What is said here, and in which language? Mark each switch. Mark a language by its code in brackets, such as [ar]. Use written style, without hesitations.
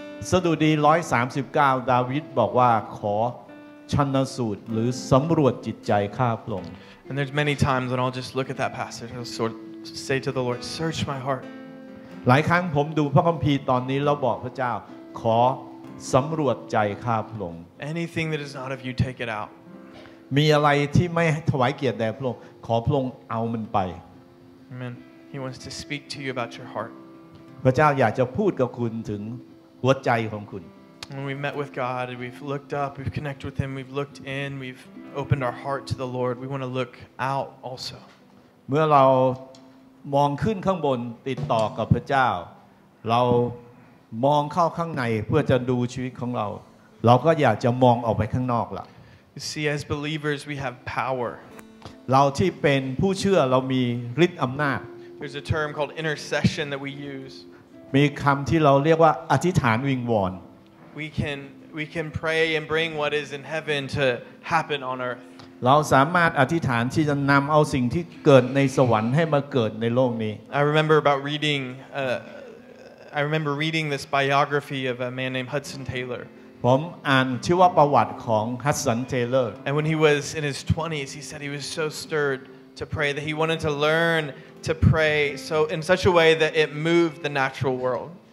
[th] สดุดี139ดาวิดบอกว่าขอชันสูตรหรือสำรวจจิตใจข้าพระองค์ [en] And there's many times when I'll just look at that passage and sort of say to the Lord search my heart [th] หลายครั้งผมดูพระคัมภีร์ตอนนี้แล้วบอกพระเจ้าขอสำรวจใจข้าพระองค์ [en] Anything that is not of you take it out [th] มีอะไรที่ไม่ถวายเกียรติแด่พระองค์ขอพระองค์เอามันไป [en] Amen He wants to speak to you about your heart [th] พระเจ้าอยากจะพูดกับคุณถึงหัวใจของคุณ [en] When we've met with God, we've looked up, we've connected with Him, we've looked in, we've opened our heart to the Lord. We want to look out also. [th] เมื่อเรามองขึ้นข้างบนติดต่อกับพระเจ้าเรามองเข้าข้างในเพื่อจะดูชีวิตของเราเราก็อยากจะมองออกไปข้างนอกล่ะ [en] You see, as believers, we have power. [th] เราที่เป็นผู้เชื่อเรามีฤทธิ์อำนาจ [en] There's a term called intercession that we use. [th] มีคำที่เราเรียกว่าอธิษฐานวิงวอน [en] We can pray and bring what is in heaven to happen on earth. [th] เราสามารถอธิษฐานที่จะนำเอาสิ่งที่เกิดในสวรรค์ให้มาเกิดในโลกนี้ [en] I remember reading this biography of a man named Hudson Taylor. [th] ผมอ่านชีวประวัติของ Hudson Taylor. [en] And when he was in his 20s, he said he was so stirred to pray that he wanted to learn to pray so in such a way that it moved the natural world.